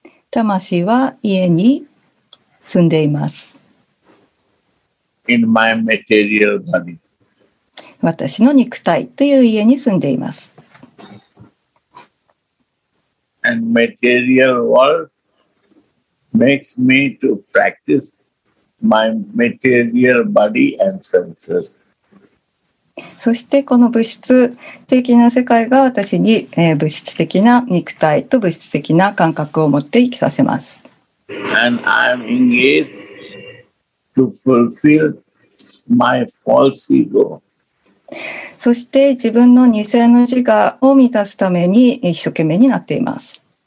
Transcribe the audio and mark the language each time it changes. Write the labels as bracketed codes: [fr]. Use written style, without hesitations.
[ja] 魂は家に住んでいます。 [en] in my material body. [ja] 私の肉体という家に住んでいます。 [en] And material world makes me to practice my material body and senses. [ja] そしてこの物質的な世界が私に物質的な肉体と物質的な感覚を持って生きさせます。 [en] And I'm engaged to fulfill my false ego. [ja] そして自分の偽の自我を満たすために一生懸命になっています。